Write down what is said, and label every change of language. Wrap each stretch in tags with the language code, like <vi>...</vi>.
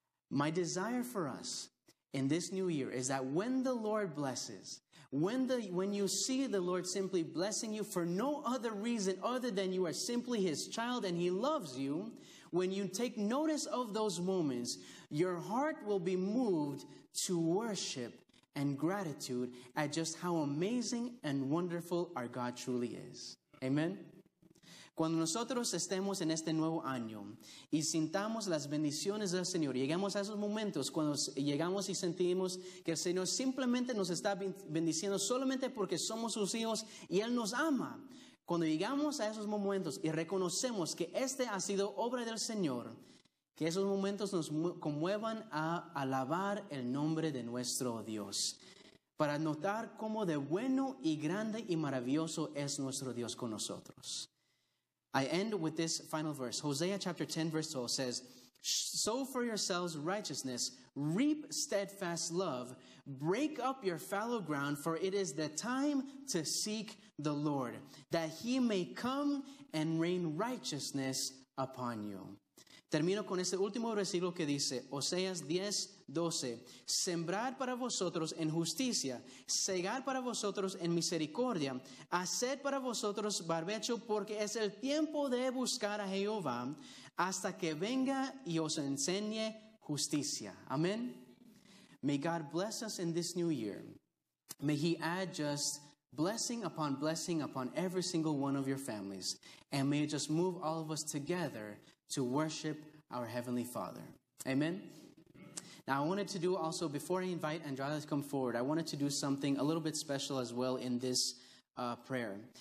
<en>My desire for us in this new year is that when the Lord blesses, when you see the Lord simply blessing you for no other reason other than you are simply his child and he loves you, when you take notice of those moments, your heart will be moved to worship and gratitude at just how amazing and wonderful our God truly is. Amen.</en> <es>Cuando nosotros estemos en este nuevo año y sintamos las bendiciones del Señor, llegamos a esos momentos cuando llegamos y sentimos que el Señor simplemente nos está bendiciendo solamente porque somos sus hijos y Él nos ama. Cuando llegamos a esos momentos y reconocemos que este ha sido obra del Señor, que esos momentos nos conmuevan a alabar el nombre de nuestro Dios. Para notar cómo de bueno y grande y maravilloso es nuestro Dios con nosotros.</es> <en>I end with this final verse. Hosea chapter 10 verse 12 says, sow for yourselves righteousness, reap steadfast love, break up your fallow ground, for it is the time to seek the Lord, that he may come and rain righteousness upon you.</en> <es>Termino con este último versículo que dice, Oseas 10, 12, sembrar para vosotros en justicia, segar para vosotros en misericordia, hacer para vosotros barbecho, porque es el tiempo de buscar a Jehová hasta que venga y os enseñe justicia.</es> <en>Amen. May God bless us in this new year. May he add just blessing upon blessing upon every single one of your families. And may it just move all of us together to worship our Heavenly Father. Amen. Now, I wanted to do also, before I invite Andrade to come forward, I wanted to do something a little bit special as well in this prayer.</en>